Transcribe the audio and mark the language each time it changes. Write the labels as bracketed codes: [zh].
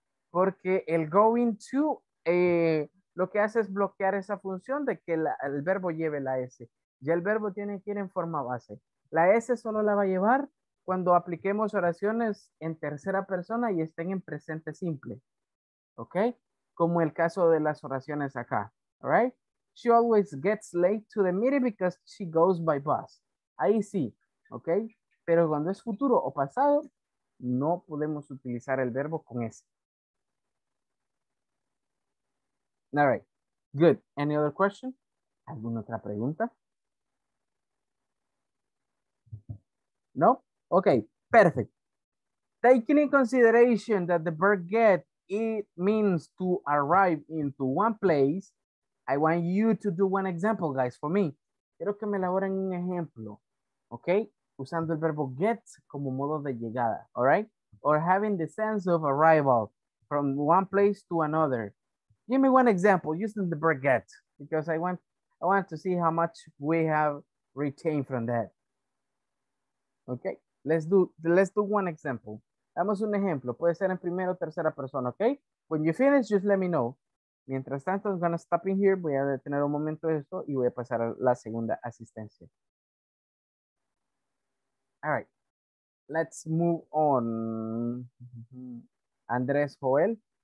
[es] Porque el going to lo que hace es bloquear esa función de que el verbo lleve la S. Ya el verbo tiene que ir en forma base. La S solo la va a llevar cuando apliquemos oraciones en tercera persona y estén en presente simple. ¿Ok? Como el caso de las oraciones acá. All right? [en] She always gets late to the meeting because she goes by bus. [es] Ahí sí. ¿Ok? Pero cuando es futuro o pasado, no podemos utilizar el verbo con S. [en] All right. Good. Any other question? [es] ¿Alguna otra pregunta? [en] No? Okay, perfect. Taking in consideration that the verb get, it means to arrive into one place, I want you to do one example, guys, for me. [es] Quiero que me elaboren un ejemplo, okay? Usando el verbo get como modo de llegada, all right? [en] Or having the sense of arrival from one place to another. Give me one example using the verb get, because I want to see how much we have retained from that. Okay, let's do one example. [es] Damos un ejemplo. Puede ser en primera o tercera persona, okay? [en] When you finish, just let me know. [es] Mientras tanto, [en] I'm gonna stop in here. [es] Voy a detener un momento esto y voy a pasar a la segunda asistencia. [en] All right, let's move on. Andrés Joel.